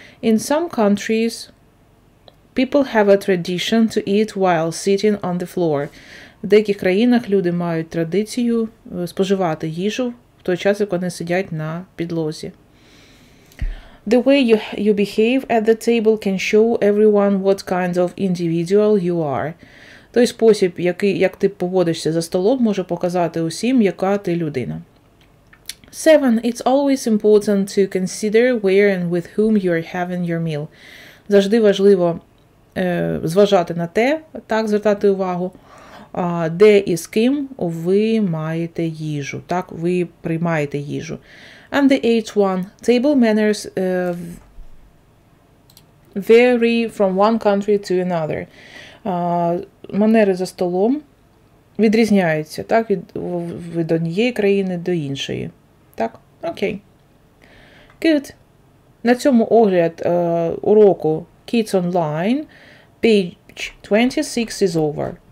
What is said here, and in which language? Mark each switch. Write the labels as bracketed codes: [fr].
[en] In some countries, people have a tradition to eat while sitting on the floor. [uk] В деяких країнах люди мають традицію споживати їжу в той час, як вони сидять на підлозі. [en] The way you behave at the table can show everyone what kind of individual you are. [uk] Той спосіб, як ти поводишся за столом, може показати усім, яка ти людина. [en] Seven. It's always important to consider where and with whom you are having your meal. [uk] Завжди важливо зважати на те, так звертати увагу, де і з ким ви маєте їжу, так, ви приймаєте їжу. [en] And the eighth one, table manners vary from one country to another. [uk] Манери за столом відрізняються, так, від однієї країни до іншої, так, окей. [en] Okay. Good. [uk] На цьому огляд уроку [en] Kids Online, page 26 is over.